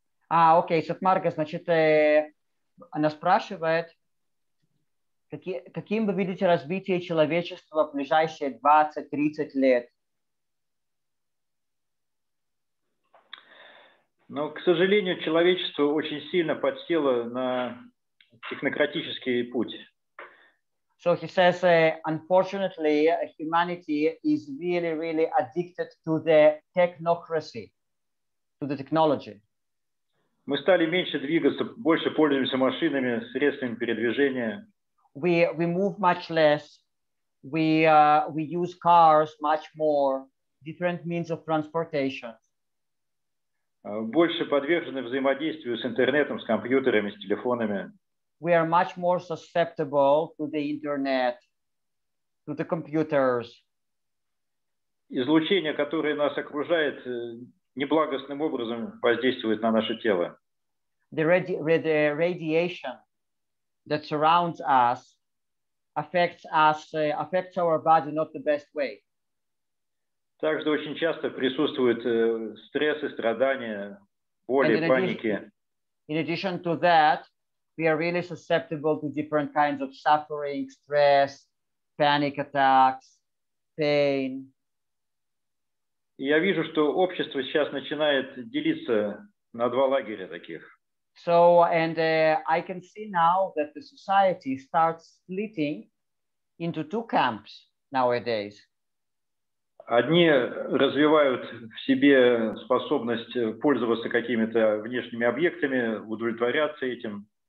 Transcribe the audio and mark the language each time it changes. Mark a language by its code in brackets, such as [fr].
[ru] Окей, Сатмарга, значит, она спрашивает, каким вы видите развитие человечества в ближайшие 20-30 лет? Но, к сожалению, человечество очень сильно подсело на технократический путь. [en] So he says, unfortunately, humanity is really, really addicted to the technocracy, to the technology. [ru] Мы стали меньше двигаться, больше пользуемся машинами, средствами передвижения. [en] We move much less. We use cars much more, different means of transportation. [ru] Больше подвержены взаимодействию с интернетом, с компьютерами, с телефонами. [en] We are much more susceptible to the internet, to the computers. [ru] Излучение, которое нас окружает, неблагостным образом воздействует на наше тело. [en] The radiation that surrounds us affects our body not the best way. [ru] Также очень часто присутствуют стрессы, страдания, боли, паники. [en] In addition to that, we are really susceptible to different kinds of suffering, stress, panic attacks, pain. [ru] Я вижу, что общество сейчас начинает делиться на два лагеря таких. [en] So, and I can see now that the society starts splitting into two camps nowadays. [ru] Одни развивают в себе способность пользоваться какими-то внешними объектами, удовлетворяться этим.